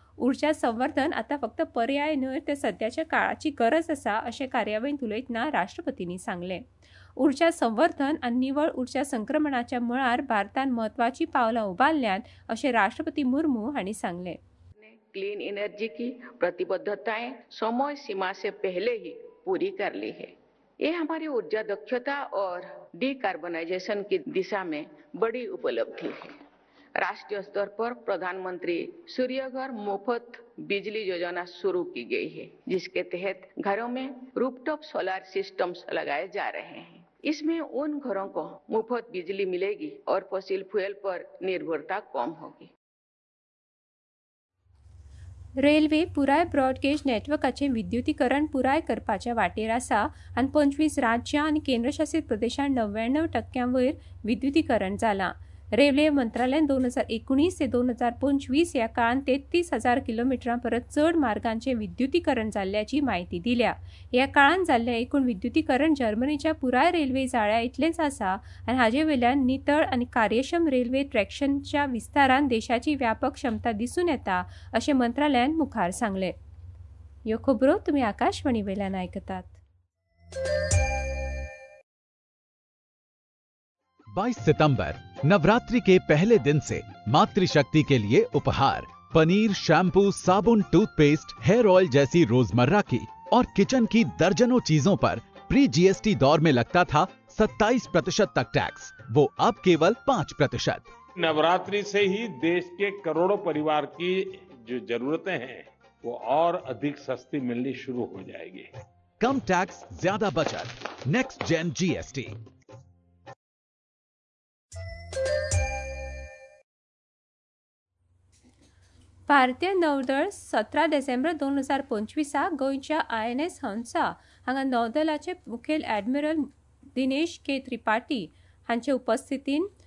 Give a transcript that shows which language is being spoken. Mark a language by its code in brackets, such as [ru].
[kok] उर्जा संवर्धन आता फक्त पर्याय न्हय तर सध्याच्या काळाची गरज असा असे कार्यावळीत उलयतना राष्ट्रपतींनी सांगले. उर्जा संवर्धन आणि निवळ उर्जा संक्रमणाच्या मळार भारतान महत्वाची पावलां उभारल्यात असे राष्ट्रपती मुर्मू हांनी सांगले. [hi] क्लीन एनर्जी की प्रतिबद्धता समय सीमा से पहले ही पूरी कर ली है. ये हमारी ऊर्जा दक्षता और डीकार्बोनाइजेशन की दिशा में बड़ी उपलब्धि है. राष्ट्रीय स्तर पर प्रधानमंत्री सूर्यघर मुफ्त बिजली योजना शुरू की गई है, जिसके तहत घरों में रूफटॉप सोलर सिस्टम्स लगाए जा रहे हैं. इसमें उन घरों को मुफ्त बिजली मिलेगी और फॉसिल फ्यूल पर निर्भरता कम होगी. [kok] रेल्वे पुराय ब्रॉडगेज नेटवर्काचे विद्युतीकरण पुराय करपाच्या वाटेर आसा आनी 25 राज्यां आनी केंद्रशासित प्रदेशांत 99% विद्युतीकरण जालां. रेल्वे मंत्रालयान 2019 ते 2025 ह्या काळांत 33,000 किलोमिटरां परस चड मार्गांचे विद्युतीकरण जाल्ल्याची माहिती दिल्या. ह्या काळांत जाल्ले एकूण विद्युतीकरण जर्मनीच्या पुराय रेल्वे जाळ्या इतलेच आसा आनी हाजे वेल्यान नितळ आनी कार्यक्षम रेल्वे ट्रॅक्शनच्या विस्तारान देशाची व्यापक क्षमता दिसून येता असे मंत्रालयान मुखार सांगले. ह्यो खबरो तुम्ही आकाशवाणी वेल्यान आयकतात. [hi] September 22 नवरात्रि के पहले दिन से मातृशक्ति के लिए उपहार पनीर, शैम्पू, साबुन, टूथपेस्ट, हेयर ऑयल जैसी रोजमर्रा की और किचन की दर्जनों चीजों पर प्री GST दौर में लगता था 27% तक टैक्स, वो अब केवल 5%. नवरात्रि से ही देश के करोड़ों परिवार की जो जरूरतें हैं वो और अधिक सस्ती मिलनी शुरू हो जाएगी. कम टैक्स, ज्यादा बचत. Next gen GST. [kok] भारतीय नौदळ 17 डिसेंबर 2025 गोंयच्या INS हंसा हांगा नौदलाचे मुखेल ॲडमिरल दिनेश के त्रिपाठी हांच्या उपस्थितीन